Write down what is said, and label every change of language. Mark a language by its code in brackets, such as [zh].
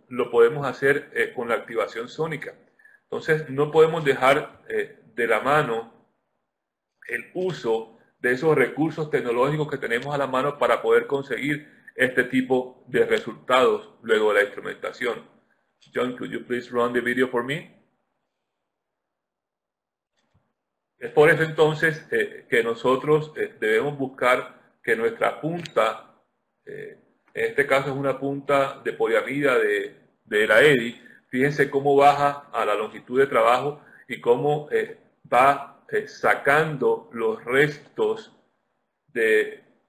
[es] Lo podemos hacer con la activación sónica. Entonces, no podemos dejar de la mano el uso de esos recursos tecnológicos que tenemos a la mano para poder conseguir este tipo de resultados luego de la instrumentación. [en] John, could you please run the video for me? [es] Es por eso entonces que nosotros debemos buscar que nuestra punta, en este caso es una punta de poliamida de la EDI, fíjense cómo baja a la longitud de trabajo y cómo va sacando los restos de